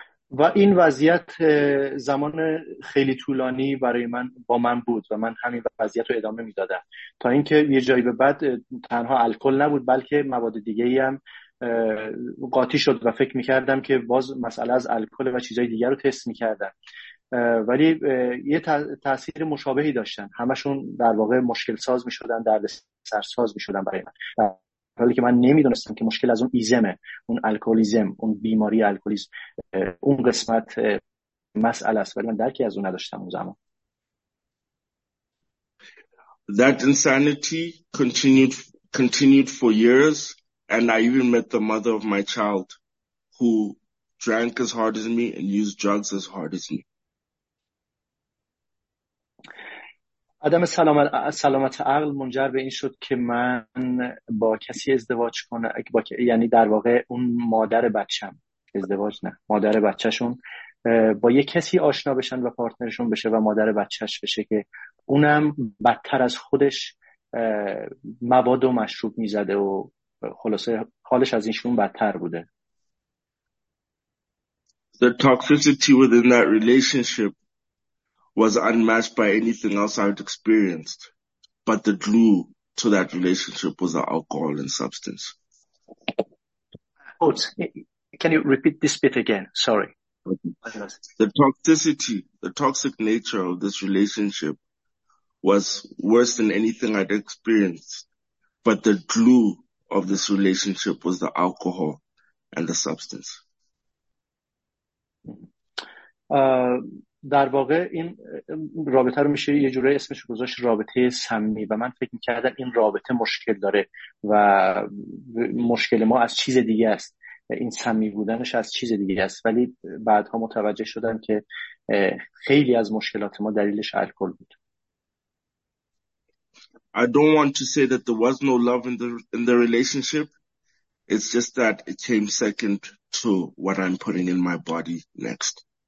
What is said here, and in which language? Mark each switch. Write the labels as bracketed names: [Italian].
[Persian] و این وضعیت زمان خیلی طولانی برای من با من بود و من همین وضعیت رو ادامه میدادم تا اینکه یه جایی به بعد تنها الکل نبود بلکه مواد دیگه هم قاطی شد و فکر میکردم که باز مسئله از الکل و چیزهای دیگر رو تست میکردم، ولی یه تأثیر مشابهی داشتن، همشون در واقع مشکل ساز میشدن، دردسر ساز میشدن برای من، حالی که من نمیدونستم که مشکل از اون ایزمه، اون الکولیزم، اون بیماری الکولیزم، اون قسمت مسئله است، ولی من درکی از اون نداشتم اون زمان. [English] That insanity continued for years, and I even met the mother of my child who drank as hard as me and used drugs as hard as me. [Persian] عدم سلامت عقل منجر به این شد که من با کسی ازدواج کنم، یعنی در واقع اون مادر بچه‌م، ازدواج نه، مادر بچه‌شون، با یک کسی آشنا بشن و پارتنرشون بشه و مادر بچه‌ش بشه که اونم بدتر از خودش مواد و مشروب می‌زده و خلاصه حالش از اینشون بدتر بوده. [English] The toxicity within that relationship was unmatched by anything else I had experienced, but the glue to that relationship was the alcohol and substance. Oh, can you repeat this bit again? Sorry. The toxic nature of this relationship was worse than anything I'd experienced, but the glue of this relationship was the alcohol and the substance. [Persian] در واقع این رابطه رو میشه یه جوره اسمش گذاشت رابطه سمی، و من فکر میکردم این رابطه مشکل داره و مشکل ما از چیز دیگه است، این سمی بودنش از چیز دیگه است، ولی بعدها متوجه شدم که خیلی از مشکلات ما دلیلش الکل بود. [English] I don't want to say that there was no love in the relationship. It's just that it came second to what I'm putting in my body next.